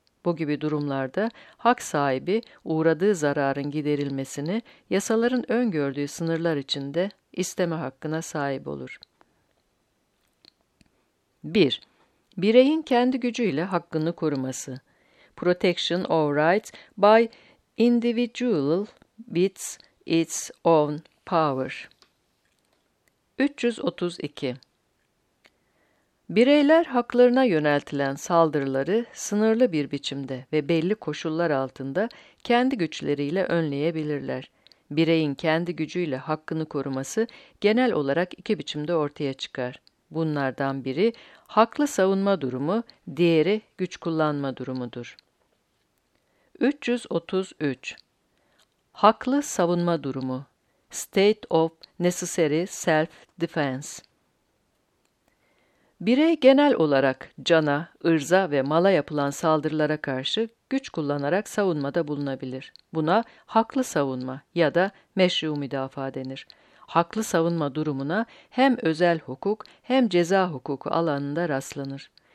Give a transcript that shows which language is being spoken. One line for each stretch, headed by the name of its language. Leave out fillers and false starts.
Turkish: Bu gibi durumlarda hak sahibi uğradığı zararın giderilmesini yasaların öngördüğü sınırlar içinde isteme hakkına sahip olur. 1. Bireyin kendi gücüyle hakkını koruması.
English: Protection of rights by individual with its own power.
Turkish: 332. Bireyler haklarına yöneltilen saldırıları sınırlı bir biçimde ve belli koşullar altında kendi güçleriyle önleyebilirler. Bireyin kendi gücüyle hakkını koruması genel olarak iki biçimde ortaya çıkar. Bunlardan biri haklı savunma durumu, diğeri güç kullanma durumudur. 333. Haklı savunma durumu.
English: State of necessary self-defense.
Turkish: Birey genel olarak cana, ırza ve mala yapılan saldırılara karşı güç kullanarak savunmada bulunabilir. Buna haklı savunma ya da meşru müdafaa denir. Haklı savunma durumuna hem özel hukuk hem ceza hukuku alanında rastlanır.